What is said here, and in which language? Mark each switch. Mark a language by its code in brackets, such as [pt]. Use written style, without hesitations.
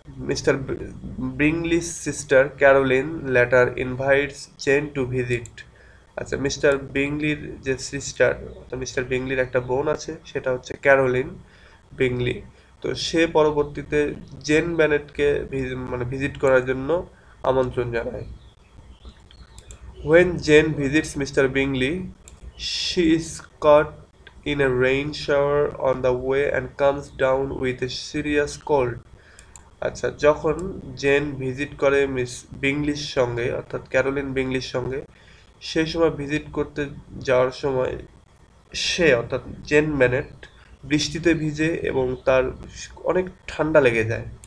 [en] Mister Bingley's sister Caroline letter invites Jane to visit. [bn] আচ্ছা, mister ব্রিংলির যে sister, অর্থাৎ mister ব্রিংলির একটা বোন আছে, সেটা হচ্ছে ক্যারোলিন ব্রিংলি। তো সে পরবর্তীতে জেন ব্যানেটকে মানে ভিজিট করার জন্য আমন্ত্রণ জানায়। [en] When Jane visits Mr. Bingley, she is caught in a rain shower on the way and comes down with a serious cold. [bn] আচ্ছা, যখন জেন ভিজিট করে মিস বিংলিশ সঙ্গে, অর্থাৎ ক্যারোলিন বিংলিশ সঙ্গে, সেই সময় ভিজিট করতে যাওয়ার সময় সে, অর্থাৎ জেন ম্যানেট, বৃষ্টিতে ভিজে এবং তার অনেক ঠান্ডা লেগে যায়।